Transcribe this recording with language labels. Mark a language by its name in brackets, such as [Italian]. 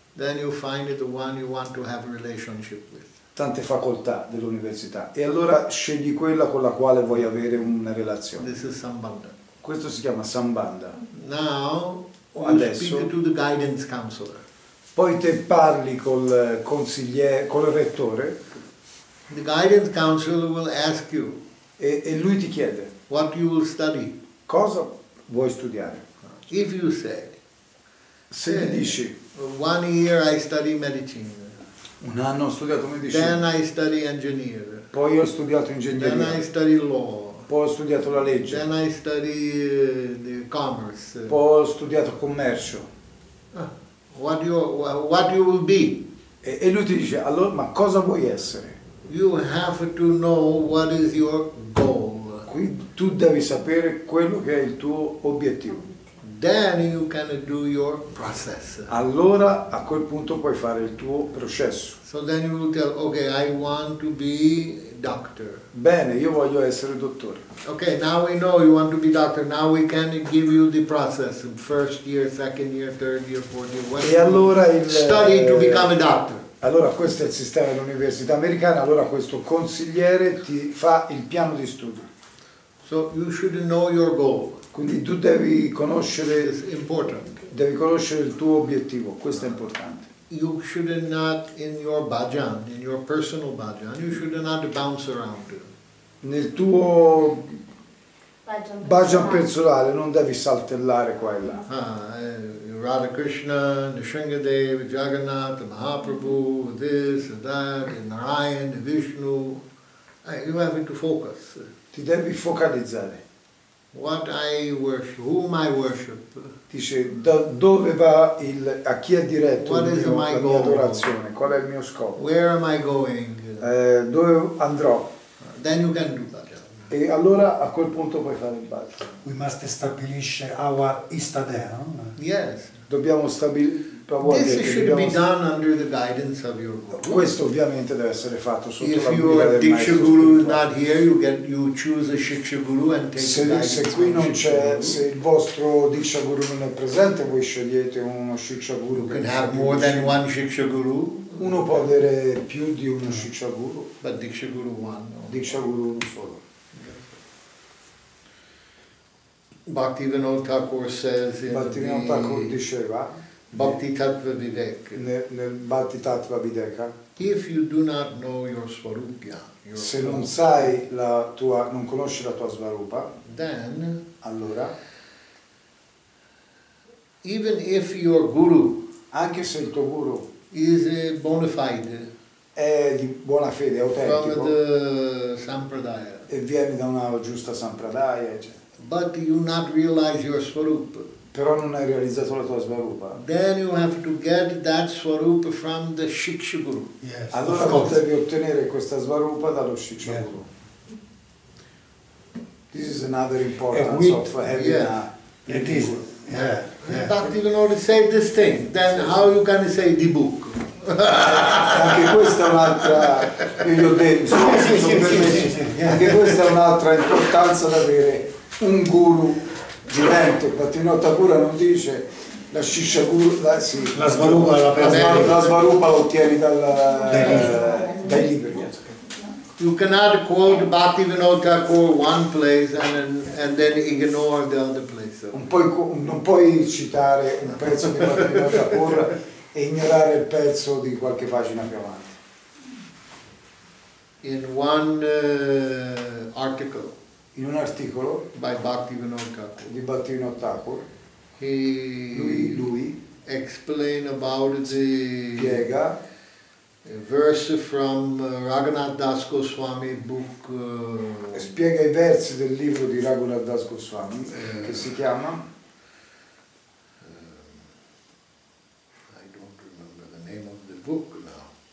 [English] Then you find the one you want to have a relationship with. [Italian] Tante facoltà dell'università. E allora scegli quella con la quale vuoi avere una relazione. [English] This is Sambandha. [Italian] Questo si chiama Sambandha. [English] Now, [Italian] adesso, [English] speak to the guidance counselor. [Italian] Poi te parli col consigliere, col rettore. [English] The guidance counselor will ask you. [Italian] E lui ti chiede. [English] What you will study. [Italian] Cosa vuoi studiare? [English] If you say, [Italian] se gli dici, [English] one year I study medicine, [Italian] un anno ho studiato medicina, [English] then I study engineer, [Italian] poi ho studiato ingegneria, [English] then I study law, [Italian] poi ho studiato la legge, [English] then I study the commerce, [Italian] poi ho studiato commercio. [English] What you will be? [Italian] E lui ti dice, allora, ma cosa vuoi essere? [English] You have to know what is your goal. [Italian] Qui tu devi sapere quello che è il tuo obiettivo. [English] Then you can do your process. [Italian] Allora a quel punto puoi fare il tuo processo. [English] So then you will tell, okay, I want to be doctor. [Italian] Bene, io voglio essere dottore. [English] Okay, now we know you want to be doctor. Now we can give you the process. First year, second year, third year, fourth year. [Italian] E allora il [English] study to become a doctor. [Italian] Allora questo è il sistema dell'università americana. Allora questo consigliere ti fa il piano di studio. [English] So you should know your goal. [Italian] Quindi tu devi conoscere, [English] important. [Italian] Devi conoscere il tuo obiettivo, questo è importante. [English] You should not in your bhajan, in your personal bhajan, you should not bounce around. [Italian] Nel tuo bhajan personale non devi saltellare qua e là. [English] Radha Krishna, Nrisingadev, Jagannath, Mahaprabhu, this and that, and Narayan, Vishnu. You have to focus. [Italian] Ti devi focalizzare. [English] What I worship, whom I worship. [Italian] Dice, dove va il, a chi è diretto il mio, la mia adorazione? Qual è il mio scopo? [English] Where am I going? [Italian] Dove andrò? [English] Then you can do bhajan. [Italian] E allora a quel punto puoi fare il bhajan. [English] We must establish our istadeva. Yes. [Italian] Dobbiamo stabilire. [English] This should be done under the guidance of your guru. [Italian] Questo ovviamente deve essere fatto sotto la guida del maestro spirituale. [English] If your Diksha Guru is not here, you choose a Shiksha Guru and take the guidance. [Italian] Se qui non c'è, se il vostro Diksha Guru non è presente, voi scegliete uno Shiksha Guru. [English] You can have more than one Shiksha Guru. [Italian] Uno può avere più di uno Shiksha Guru. [English] But Diksha Guru one. No. [Italian] Diksha Guru uno solo. [English] Bhaktivinoda Thakur says in Bhaktivinoda [Italian] Thakur diceva Bhakti Tattva Viveka. Nel Bhakti Tattva Viveka. [English] If you do not know your Svarupya, [Italian] se non sai la tua, non conosci la tua Svarupa, [English] then [Italian] allora, [English] even if your guru, [Italian] anche se il tuo guru [English] is bona fide, [Italian] è di buona fede, è autentico, [English] from the Sampradaya, [Italian] e viene da una giusta Sampradaya, eccetera. [English] But you not realize your swarup. [Italian] Però non hai realizzato la tua svarupa. [English] Then you have to get that swarup from the Shiksha Guru. Yes. [Italian] Allora devi ottenere questa svarupa dallo Shiksha Guru. [English] Yeah. This is another importance of having a Dibuk. But even only say this thing, then how you can say Dibuk? [Italian] Anche questa è un'altra, io gli ho detto, anche questa è un'altra importanza da avere. Un guru vivente, Bhaktivinoda Thakur non dice la Shiksha Guru, sì, la svarupa la ottieni dai libri. [English] You cannot quote Bhaktivinoda Thakur one place and then ignore the other place. [Italian] Non puoi citare un pezzo di Bhaktivinoda Thakur e ignorare il pezzo di qualche pagina più avanti. [English] In one article. [Italian] In un articolo [English] by Bhaktivinoda Thakur, [Italian] di Bhaktivinoda Thakur, lui [English] explain about the [Italian] piega [English] verse from Raghunath Das Goswami book, [Italian] spiega i versi del libro di Raghunath Das Goswami che si chiama [English] I don't remember the name of the book now.